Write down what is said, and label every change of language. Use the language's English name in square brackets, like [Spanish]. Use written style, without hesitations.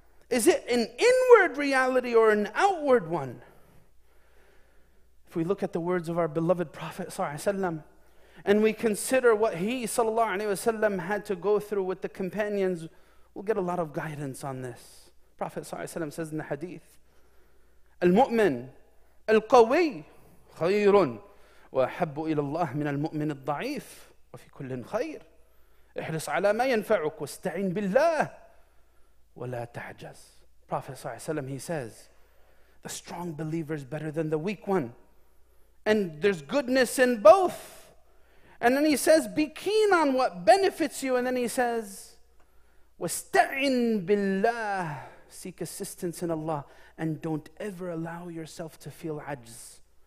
[English] Is it an inward reality or an outward one? If we look at the words of our beloved Prophet and we consider what he had to go through with the companions, we'll get a lot of guidance on this. Prophet says in the hadith, [Arabic] المؤمن القوي خير وأحب إلى الله من المؤمن الضعيف وفي كل خير احرص على ما ينفعك واستعين بالله ولا تعجز. [English] Prophet ﷺ, he says, the strong believer is better than the weak one, and there's goodness in both. And then he says, be keen on what benefits you. And then he says, [Arabic] واستعين بالله, [English] seek assistance in Allah, and don't ever allow yourself to feel ajz.